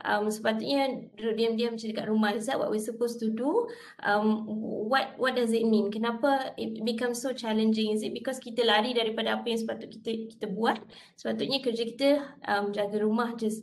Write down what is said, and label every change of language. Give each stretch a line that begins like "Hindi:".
Malay: Sepatutnya duduk diam-diam macam dekat rumah.
English: Is that what we're supposed to do? What does it mean?
Malay: Kenapa
English: it becomes so challenging? Is it because
Malay: kita lari daripada apa yang sepatut kita buat? Sepatutnya kerja kita jaga rumah je.